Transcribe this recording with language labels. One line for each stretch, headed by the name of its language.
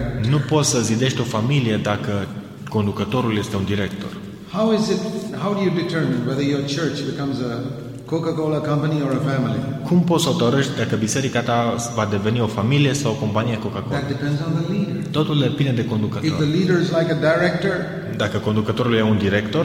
Romanian: Nu poți să zidești o familie dacă conducătorul este un director.
English: How do you determine whether your church becomes a Coca-Cola company or a family?
Romanian: Cum poți să hotărăști dacă biserica ta va deveni o familie sau o companie Coca-Cola?
English: That depends on the leader.
Romanian: Totul depinde de conducător.
English: If the leader is like a director,
Romanian: dacă conducătorul e un director,